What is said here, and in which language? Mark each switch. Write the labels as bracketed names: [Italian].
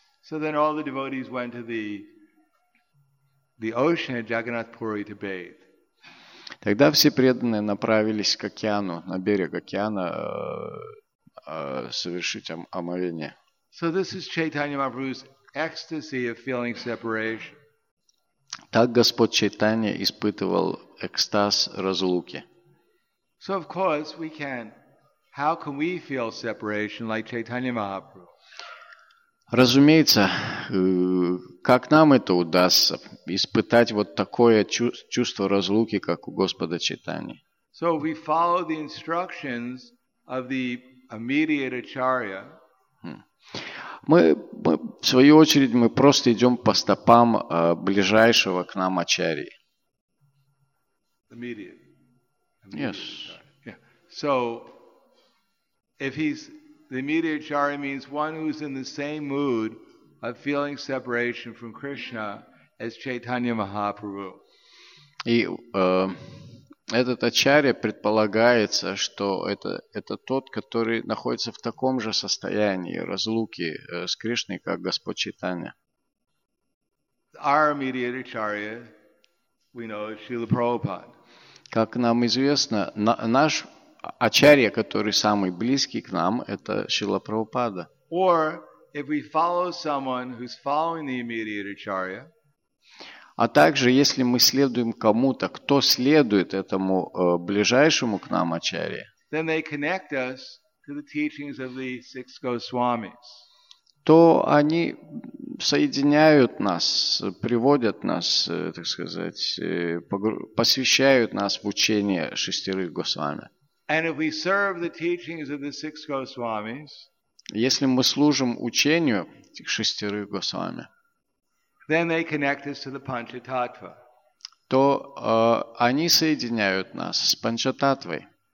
[English] So then all the devotees went to the ocean at Jagannath Puri to bathe. [Russian] Тогда все преданные направились к океану, на берег океана, совершить омовение. [English] So this is Chaitanya Mahaprabhu's ecstasy of feeling separation. [Russian] Так Господь Чайтанья испытывал экстаз разлуки. [English] So of course we can. How can we feel separation like Chaitanya Mahaprabhu? [Russian] Разумеется, как нам это удастся, испытать вот такое чувство разлуки, как у Господа Чайтаньи? [English] So we follow the instructions of the immediate Acharya. [Russian] Мы в свою очередь, мы просто идем по стопам ближайшего к нам Ачарьи. [English] Immediate. Yes. Yeah. So, if he's The Mediacharya means one who's in the same mood of feeling separation from Krishna as Chaitanya Mahaprabhu. [Russian] И этот ачарья предполагается, что это тот, который находится в таком же состоянии разлуки с Кришной, как Господь Чайтанья. [English] Our immediate ачарья, we know, is Śrīla Prabhupāda. [Russian] Как нам известно, наш ачарья, который самый близкий к нам, это Śrīla Prabhupāda. [English] Or if we follow someone who's following the immediate ачарья, [Russian] а также, если мы следуем кому-то, кто следует этому ближайшему к нам ачарье, [English] then they connect us to the teachings of the six Goswamis. [Russian] То они соединяют нас, приводят нас, так сказать, посвящают нас в учение шестерых Госвами. [English] And if we serve the teachings of the six Goswamis, [Russian] если мы служим учению этих шестерых Госвами, [English] then they connect us to the Panchatattva. [Russian] То они соединяют нас с Панчататвой.